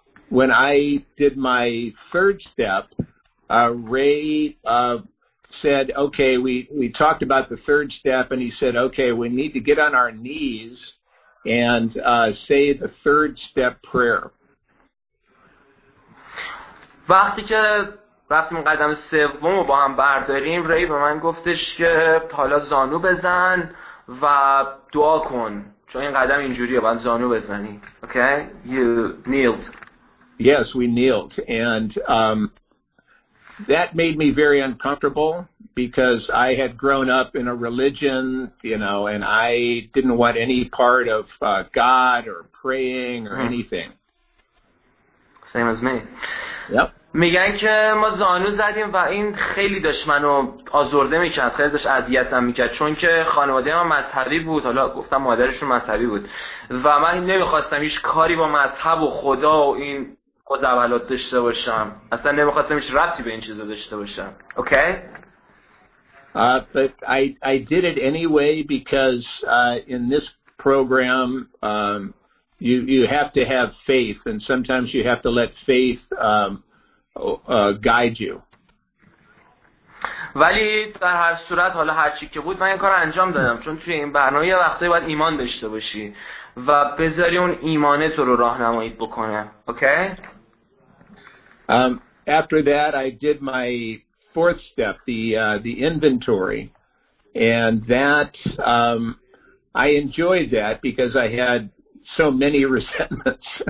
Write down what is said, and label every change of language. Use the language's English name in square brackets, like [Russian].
[English] When I did my third step, Ray said, okay, we talked about the third step, and he said, okay, we need to get on our knees and say the third step prayer. [Persian] وقتی که رفتیم قدم سوم رو با هم برداریم، ری به من گفتش که حالا زانو بزن و دعا کن، چون این قدم اینجوریه، باید زانو بزنی. [English] Okay, you kneeled. Yes, we kneeled, and that made me very uncomfortable because I had grown up in a religion, you know, and I didn't want any part of God or praying or anything. Same as me. Yep. [Persian] میگن که ما زانو زدیم و این خیلی داشت منو آزرده میکرد، خیلی داشت اذیتم میکرد، چون که خانواده من مذهبی بود، حالا گفتم مادرشون مذهبی بود، و من نمیخواستم هیچ کاری با مذهب و خدا و این خودعبلات داشته باشم، اصلا نمیخواستم هیچ ربطی به این چیزا داشته باشم. [English] Okay? But I did it anyway because in this program you have to have faith, and sometimes you have to let faith guide you. [Persian] ولی در هر صورت حالا هر چی که بود من این کار انجام دادم، چون توی این برنامه یه وقتایی باید ایمان داشته باشی و بذاری اون ایمانه تو رو راهنمایی بکنه. [English] Okay? After that I did my fourth step, the inventory, and that I enjoyed that because I had so many resentments.